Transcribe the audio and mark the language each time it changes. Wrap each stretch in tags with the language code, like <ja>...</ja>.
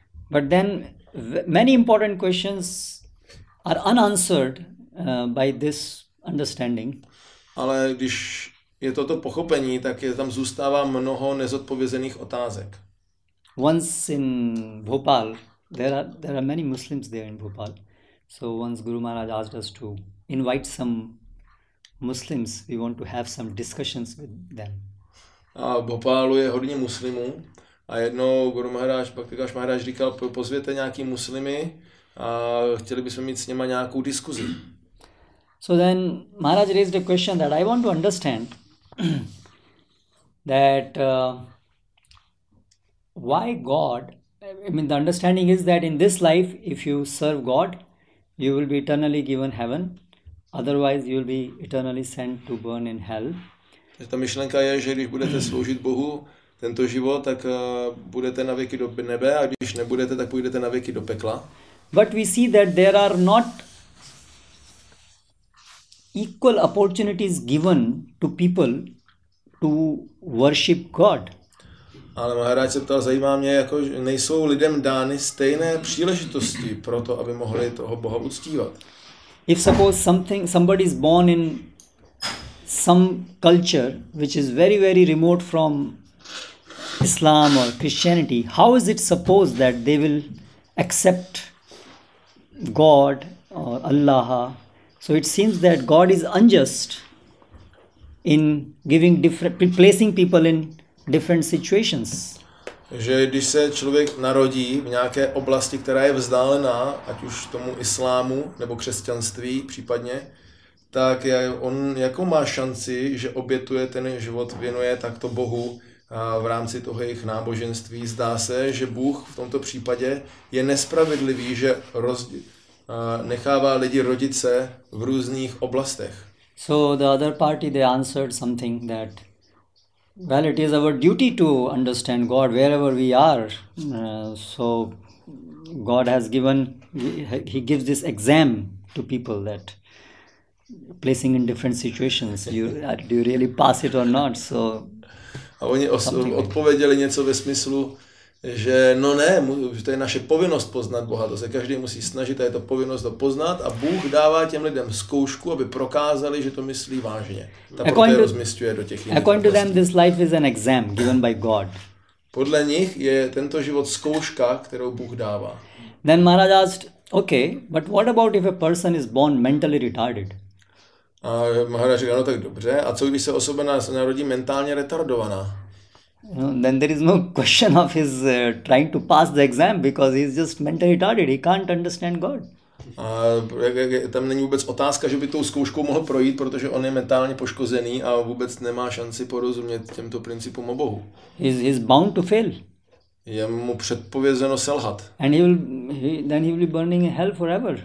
<en>But then many important questions are unanswered by this understanding.</en> <cs>Ale když je toto pochopení, tak je tam zůstává mnoho nezodpovězených otázek.</cs> <en>Once in Bhopal, there are many Muslims there in Bhopal. So once Guru Maharaj asked us to invite some Muslims, we want to have some discussions with them.</en> <cs>A v Bhopalu je hodně muslimů. A jednou Guru Maharaj, Bhaktivinoda Maharaj říkal, pozvěte nějaký muslimy a chtěli bychom mít s něma nějakou diskuzi.</cs> <en>So then Maharaj raised a question that I want to understand that why God, I mean the understanding is that in this life if you serve God, you will be eternally given heaven, otherwise you will be eternally sent to burn in hell.</en> <cs>Takže ta myšlenka je, že když budete sloužit Bohu tento život, tak budete na věky do nebe a když nebudete, tak půjdete na věky do pekla.</cs> <en>But we see that there are not equal opportunities given to people to worship God.</en> <cs>Ale Maharaj se ptal, zajímá mě, jako nejsou lidem dány stejné příležitosti pro to, aby mohli toho Boha uctívat.</cs> <en>If suppose somebody is born in some culture which is very very remote from Islam or Christianity, how is it supposed that they will accept God or Allah? So it seems that God is unjust in giving different, placing people in different situations.</en> <cs>Že když se člověk narodí v nějaké oblasti, která je vzdálená, ať už tomu islámu nebo křesťanství případně, tak on jakou má šanci, že obětuje ten život, věnuje takto Bohu v rámci toho jejich náboženství. Zdá se, že Bůh v tomto případě je nespravedlivý, že nechává lidi rodit se v různých oblastech.</cs> <en>So the other party, they answered something that, well, it is our duty to understand God wherever we are. So God has given, he gives this exam to people that placing in different situations, do you really pass it or not? So</en> <cs>a oni odpověděli něco ve smyslu, že no ne, že to je naše povinnost poznat Boha, to se každý musí snažit a je to povinnost to poznat a Bůh dává těm lidem zkoušku, aby prokázali, že to myslí vážně. Tak proto je rozmisťuje do těch jiných.</cs> <en>According to them, this life is an exam given by God.</en> <cs>Podle nich je tento život zkouška, kterou Bůh dává.</cs> <en>Then Maharaj asked, okay, but what about if a person is born mentally retarded?</en> <cs>A Maharaj říká, no tak dobře, a co když se osoba narodí mentálně retardovaná?</cs> <en>No, then there is no question of his trying to pass the exam because he is just mentally retarded, he can't understand God.</en> <cs>A tam není vůbec otázka, že by tou zkouškou mohl projít, protože on je mentálně poškozený a vůbec nemá šanci porozumět těmto principům o Bohu.</cs> <en>He is bound to fail.</en> <cs>Je mu předpovězeno selhat.</cs> <en>And he will be burning in hell forever.</en>